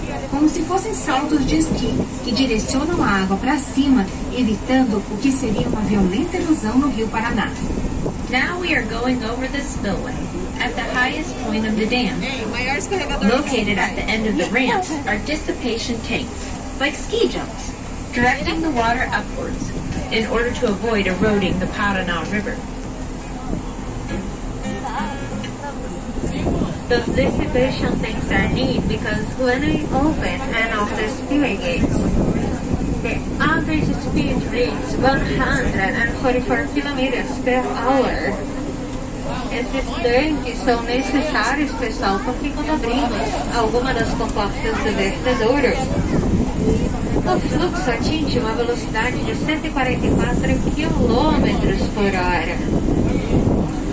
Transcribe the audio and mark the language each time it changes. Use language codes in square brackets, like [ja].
[pt] como se fossem saltos de esqui, que direcionam a água para cima, evitando o que seria uma violenta erosão no rio Paraná. [en] Now we are going over the spillway at the highest point of the dam. Located at the end of the ramp are dissipation tanks, like ski jumps, directing the water upwards in order to avoid eroding the Paraná River. The dissipation tanks are neat because when we open and off the spillway gates, the average speed reaches 144 kilometers per hour. [pt] Esses tanques são necessários, pessoal, porque quando abrimos alguma das comportas do vertedouro, o fluxo atinge uma velocidade de 144 km por hora.